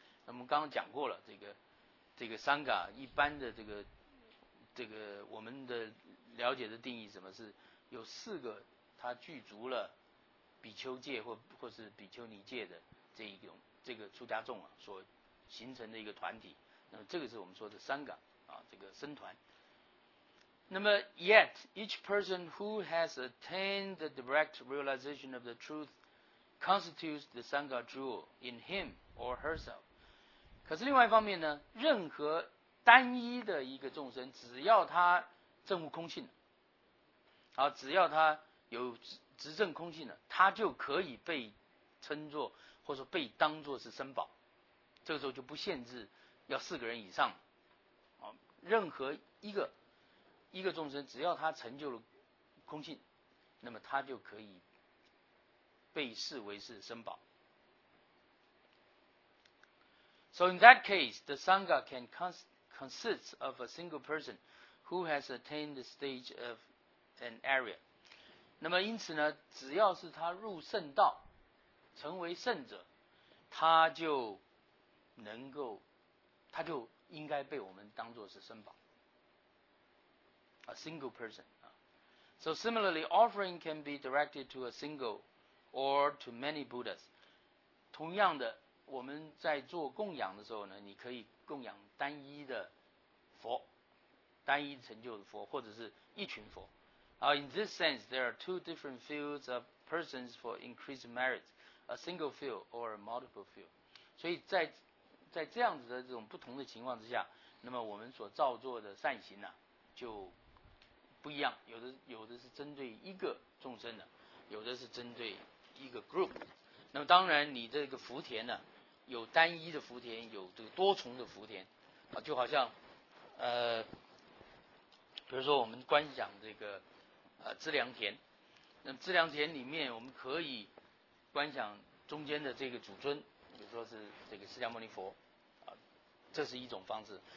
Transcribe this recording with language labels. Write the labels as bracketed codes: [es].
[zh] 我们刚刚讲过了，这个 Sangha 一般的这个我们的了解的定义，什么是有四个它具足了比丘戒或是比丘尼戒的这个出家众啊所形成的一个团体，那么这个是我们说的Sangha啊，这个僧团。 [en] 那么 yet each person who has attained the direct realization of the truth constitutes the Sangha jewel in him or herself。 [zh] 可是另外一方面呢，任何单一的一个众生，只要他证悟空性，好，只要他有执政空性的，他就可以被称作或者说被当作是僧宝。这个时候就不限制要四个人以上，任何一个众生，只要他成就了空性，那么他就可以被视为是僧宝。 [en] So in that case, the Sangha can consist of a single person who has attained the stage of an area. [zh] 那么因此呢，只要是他入圣道，成为圣者，他就能够，他就应该被我们当作是圣宝。 [en] A single person. So similarly, offering can be directed to a single or to many Buddhas. [zh] 同样的，我们在做供养的时候呢，你可以供养单一的佛，单一成就的佛，或者是一群佛。 [en] In this sense, there are two different fields of persons for increased merit, a single field or a multiple field. [zh] 所以在这样子的这种不同的情况之下，那么我们所造作的善行呢、啊、就不一样，有的是针对一个众生的，有的是针对一个 group。那么当然你这个福田呢，有单一的福田，有这个多重的福田，就好像比如说我们观想这个资粮田，那么资粮田里面我们可以观想中间的这个主尊，比如说是这个释迦牟尼佛，这是一种方式。